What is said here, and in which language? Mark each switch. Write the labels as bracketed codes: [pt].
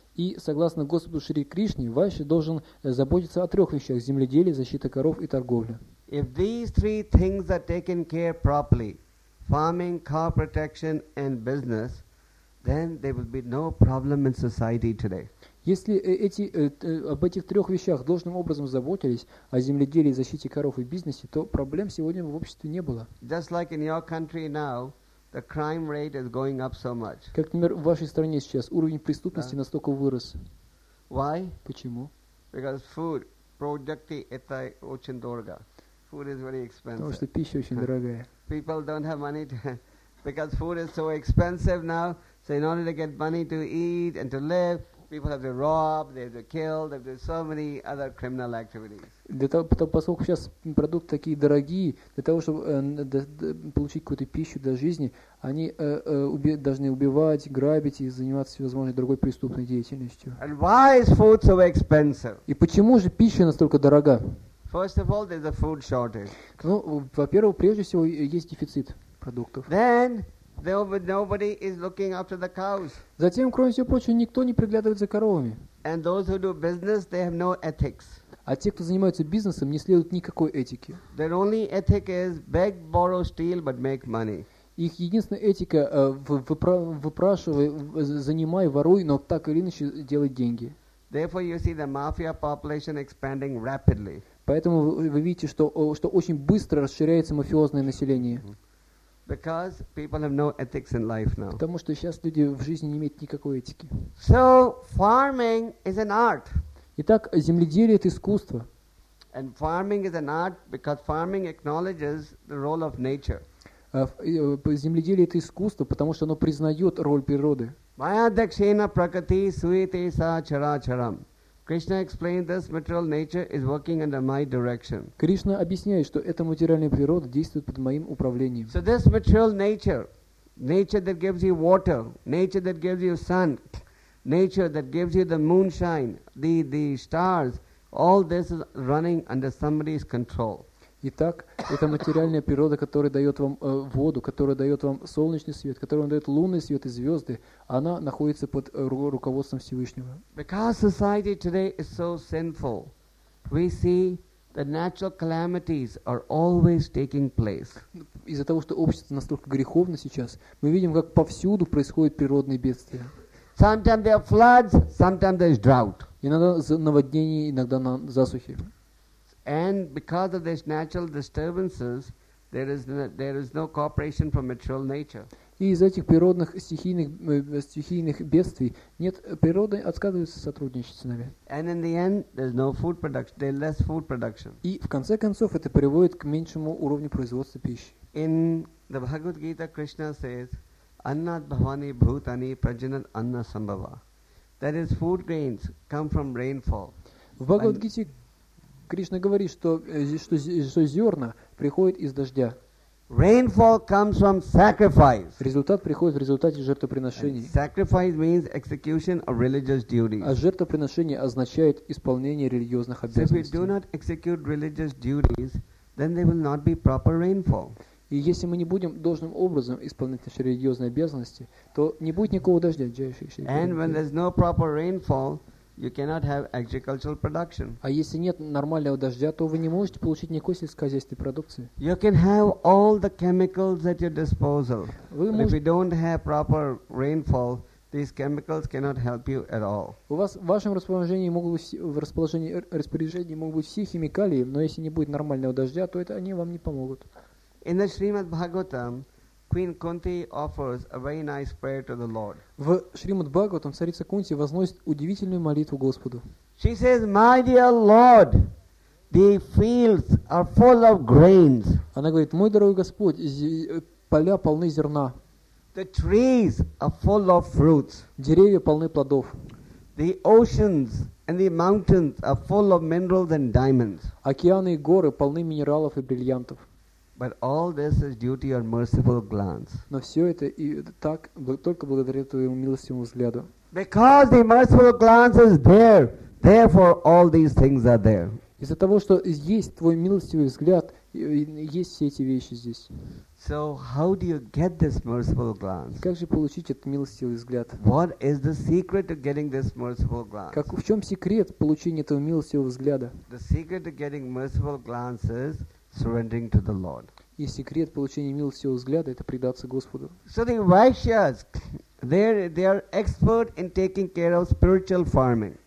[ru] И согласно Господу Шри Кришне, вайшья должен заботиться о трех вещах: земледелии, защита коров и торговля. [en] If these three things are taken care properly, farming, cow protection and business, then there will be no problem in society today. [ru] Если об этих трех вещах должным образом заботились, о земледелии, защите коров и бизнесе, то проблем сегодня в обществе не было. [en] Just like in your country now, the crime rate is going up so much. [ru] Как, например, в вашей стране сейчас уровень преступности настолько вырос. [en] Why? [ru] Почему? [en] Because food, [ru] продукты это очень дорого. [en] Food is very expensive. [ru] Потому что пища очень дорогая. [en] People don't have money to, because food is so expensive now. So in order to get money to eat and to live, people have to rob, they have to kill, they have to do so many other criminal activities. [ru] Поскольку сейчас продукты такие дорогие, для того, чтобы получить какую-то пищу для жизни, они должны убивать, грабить и заниматься всевозможной другой преступной деятельностью. [en] And why is food so expensive? [ru] И почему же пища настолько дорога? [en] First of all, there's a food shortage. [ru] Ну, во-первых, прежде всего, есть дефицит продуктов. [en] Then nobody is looking after the cows. [ru] Затем, кроме всего прочего, никто не приглядывает за коровами. [en] And those who do business, they have no ethics. [ru] А те, кто занимаются бизнесом, не следуют никакой этике. [en] Their only ethic is beg, borrow, steal, but make money. [ru] Их единственная этика выпрашивай, занимай, воруй, но так или иначе делай деньги. [en] Therefore, you see the mafia population expanding rapidly. [ru] Поэтому вы видите, что очень быстро расширяется мафиозное население. [en] Because people have no ethics in life now. [ru] Потому что сейчас люди в жизни не имеют никакой этики. [en] So farming is an art. [ru] Итак, земледелие это искусство. [en] And farming is an art because farming acknowledges the role of nature. [ru] Земледелие это искусство, потому что оно признает роль природы. [sa] Maya dakshina prakriti suite sa characharam. [en] Krishna explained this material nature is working under my direction. [ru] Кришна объясняет, что эта материальная природа действует под моим управлением. [en] So this material nature, nature that gives you water, nature that gives you sun, nature that gives you the moonshine, the stars, all this is running under somebody's control. [ru] Итак, это материальная природа, которая дает вам воду, которая дает вам солнечный свет, которая вам дает лунный свет и звезды, она находится под руководством Всевышнего. [en] Because society today is so sinful, we see that natural calamities are always taking place. [ru] Из-за того, что общество настолько греховно сейчас, мы видим, как повсюду происходят природные бедствия. [en] Sometimes there are floods, sometimes there is drought. [ru] Иногда наводнения, иногда засухи. [en] And because of these natural disturbances, there is no cooperation from material nature. [ru] И из этих природных стихийных бедствий нет природы, отказываются сотрудничать с нами. [en] And in the end, there's no food production, there's less food production. [ru] И в конце концов это приводит к меньшему уровню производства пищи. [en] In the Bhagavad Gita, Krishna says, [sa] "Annat bhavani bhutani prajanat anna sambhava." [en] That is, food grains come from rainfall. [ru] В Bhagavad Gita Кришна говорит, что зерна приходят из дождя. [en] Rainfall comes from sacrifice. [ru] Результат приходит в результате жертвоприношений. [en] Sacrifice means execution of religious duties. [ru] А жертвоприношение означает исполнение религиозных обязанностей. [en] So if we do not execute religious duties, then there will not be proper rainfall. [ru] И если мы не будем должным образом исполнять наши религиозные обязанности, то не будет никакого дождя, джайшикши. [en] And when there's no proper rainfall, you cannot have agricultural production. [ru] А если нет нормального дождя, то вы не можете получить никакой сельскохозяйственной продукции. [en] You can have all the chemicals at your disposal. But if you don't have proper rainfall, these chemicals cannot help you at all. [ru] У вас в вашем распоряжении могут быть все химикалии, но если не будет нормального дождя, то это они вам не помогут. [en] In the Srimad Bhagavatam, Queen Kunti offers a very nice prayer to the Lord. [ru] В Шримад Бхагаватам царица Кунти возносит удивительную молитву Господу. [en] She says, "My dear Lord, the fields are full of grains." [ru] Она говорит: "Мой дорогой Господь, поля полны зерна." [en] The trees are full of fruits. [ru] Деревья полны плодов. [en] The oceans and the mountains are full of minerals and diamonds. [ru] Океаны и горы полны минералов и бриллиантов. [en] But all this is due to your merciful glance. [ru] Но все это и так только благодаря твоему милостивому взгляду. [en] Because the merciful glance is there, therefore all these things are there. [ru] Из-за того, что есть твой милостивый взгляд, есть все эти вещи здесь. [en] So how do you get this merciful glance? [ru] Как же получить этот милостивый взгляд? [en] What is the secret to getting this merciful glance? [ru] В чем секрет получения этого милостивого взгляда? [en] The secret to getting merciful glance is surrendering to the Lord. [ru] И секрет получения милостивого взгляда – это предаться Господу. [en] So the Vaishyas, they are expert in taking care of spiritual farming.